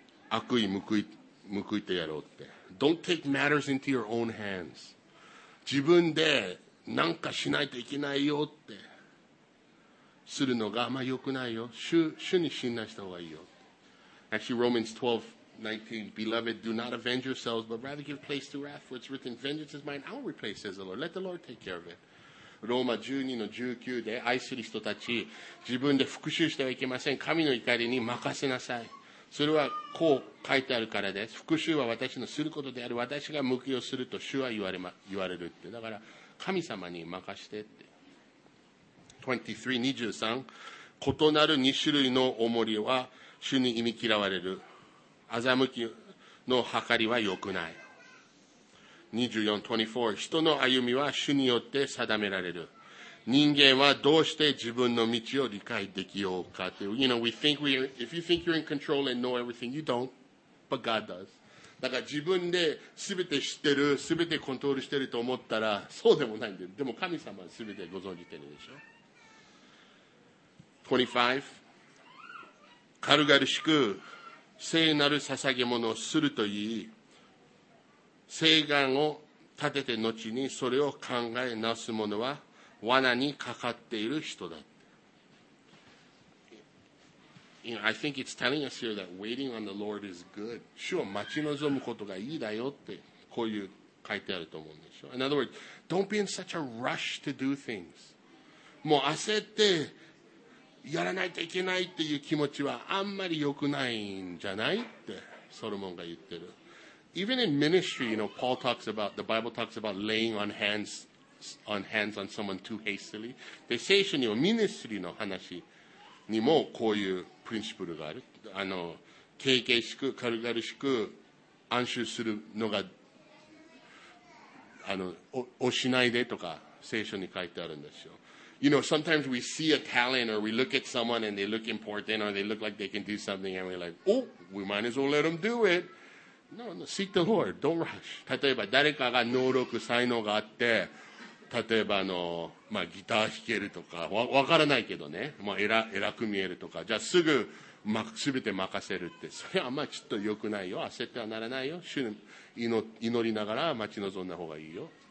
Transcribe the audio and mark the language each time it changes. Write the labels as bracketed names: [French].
[Japanese] 悪に報いてやろうって。 [English] Don't take matters into your own hands. [Japanese] 自分でなんかしないといけないよって。するのがあんま良くないよ。主に信頼した方がいいよ。 [English] Actually, Romans 12:19, Beloved, do not avenge yourselves, but rather give place to wrath, for it's written, Vengeance is mine, I will repay, says the Lord. Let the Lord take care of it. [Japanese] ローマ 12-19 で愛する人たち、自分で復讐してはいけません。神の怒りに任せなさい。それはこう書いてあるからです。復讐は私のすることである。私が報いをすると主は言われるって。だから神様に任せてって。23, 23, 異なる2種類の重りは主に忌み嫌われる。欺きの計りは良くない。24, 24, 人の歩みは主によって定められる。人間はどうして自分の道を理解できようかって。 [English] You know, we think we are, if you think you're in control and know everything, you don't. But God does. [Japanese] だから自分で全て知ってる、全てコントロールしてると思ったら、そうでもないんだよ。でも神様は全てご存じてるでしょ。 [English] 25. [Japanese] 軽々しく聖なる捧げ物をするといい、聖願を立てて後にそれを考え直す者は罠にかかっている人だ。 [English] You know, I think it's telling us here that waiting on the Lord is good. [Japanese] 主を待ち望むことがいいだよって、こういう書いてあると思うんでしょ。 [English] In other words, don't be in such a rush to do things. [Japanese] もう焦ってやらないといけないっていう気持ちはあんまり良くないんじゃないってソロモンが言ってる。 [English] Even in ministry, you know, Paul talks about, the Bible talks about laying on hands on someone too hastily. [Japanese] で、聖書にはミニストリーの話にもこういうプリンシプルがある。軽々しく軽々しく安守するのがあの、おしないでとか聖書に書いてあるんですよ。 [English] You know, sometimes we see a talent or we look at someone and they look important or they look like they can do something and we're like, oh, we might as well let them do it. No, no, seek the Lord. Don't rush. [Japanese] 例えば誰かが能力、才能があって、例えばあの、まあ、ギター弾けるとか、わからないけどね、まあ、偉く見えるとか、じゃあすぐ、ま、全て任せるって、それはあんまちょっと良くないよ。焦ってはならないよ。主に祈りながら待ち望んだ方がいいよ。